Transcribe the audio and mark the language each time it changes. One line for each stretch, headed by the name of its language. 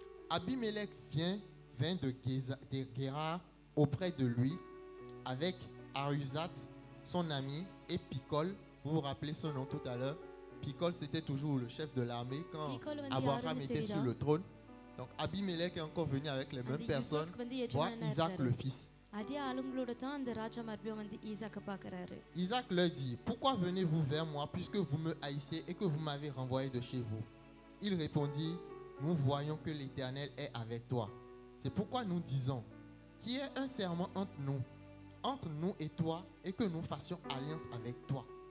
French: Abimélec vint de Guérar auprès de lui avec Arusat, son ami, et Picol. Vous vous rappelez son nom tout à l'heure. Picol, c'était toujours le chef de l'armée quand Abraham était sur le trône. Donc Abimélec est encore venu avec les mêmes personnes voir Isaac le fils.
Tamil: அதே ஆளுங்களோட தான் அந்த ராஜா மறுபடியும் வந்து ஈசாக்கை பார்க்கறாரு.
French: Isaac leur dit, pourquoi venez-vous vers moi puisque vous me haïssez et que vous m'avez renvoyé de chez vous? Il répondit, nous voyons que l'Éternel est avec toi. C'est pourquoi nous disons, qu'il y ait un serment entre nous et toi, et que nous fassions alliance avec toi.